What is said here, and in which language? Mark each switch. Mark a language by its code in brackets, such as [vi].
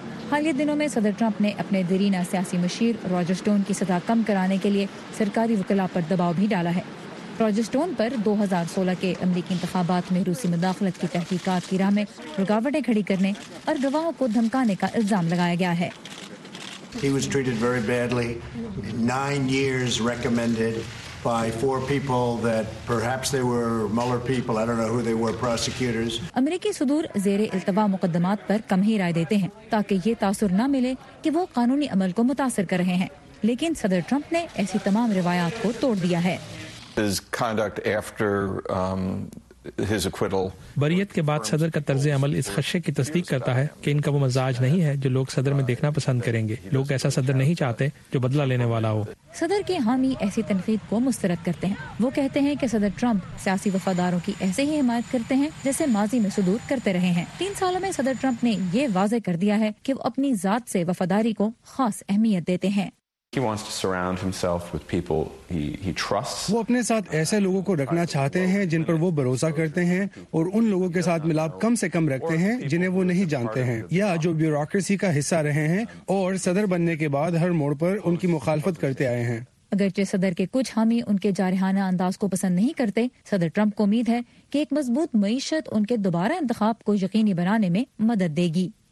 [ur] حالیہ دنوں میں صدر ٹرمپ نے اپنے دیرینہ سیاسی مشیر روجر سٹون کی سزا کم کرانے کے لیے سرکاری وکلاء پر دباؤ بھی ڈالا ہے. روجر سٹون پر 2016 کے امریکی انتخابات میں روسی مداخلت کی تحقیقات کی راہ میں رکاوٹیں کھڑی کرنے اور گواہوں کو دھمکانے کا الزام لگایا گیا ہے. [en] He was treated very badly. 9 years recommended by 4 people that perhaps they were Mueller people. I don't know who they were, prosecutors. [ur] امریکی صدور زیر التوا مقدمات پر کم ہی رائے دیتے ہیں تاکہ یہ تاثر نہ ملے کہ وہ قانونی عمل کو متاثر کر رہے ہیں، لیکن صدر ٹرمپ نے ایسی تمام روایات کو توڑ دیا ہے. [en] His conduct after his acquittal. [ur] بریت کے بعد صدر کا طرز عمل اس خدشے کی تصدیق کرتا ہے کہ ان کا وہ مزاج نہیں ہے جو لوگ صدر میں دیکھنا پسند کریں گے. لوگ ایسا صدر نہیں چاہتے جو بدلہ لینے والا ہو. صدر کے حامی ایسی تنقید کو مسترد کرتے ہیں. وہ کہتے ہیں کہ صدر ٹرمپ سیاسی وفاداروں کی ایسے ہی حمایت کرتے ہیں جیسے ماضی میں صدور کرتے رہے ہیں. 3 سالوں میں صدر ٹرمپ نے یہ واضح کر دیا ہے کہ وہ اپنی ذات سے وفاداری کو خاص اہمیت دیتے ہیں. [en] He wants to surround himself with people he trusts. [ur] وہ اپنے ساتھ ایسے لوگوں کو رکھنا چاہتے ہیں جن پر وہ بھروسہ کرتے ہیں، اور ان لوگوں کے ساتھ ملاپ کم سے کم رکھتے ہیں جنہیں وہ نہیں جانتے ہیں یا جو بیوروکریسی کا حصہ رہے ہیں اور صدر بننے کے بعد ہر موڑ پر ان کی مخالفت کرتے آئے ہیں. اگرچہ صدر کے کچھ حامی ان کے جارحانہ انداز کو پسند نہیں کرتے، صدر ٹرمپ کو امید ہے کہ ایک مضبوط معیشت ان کے دوبارہ انتخاب کو یقینی بنانے میں مدد دے گی.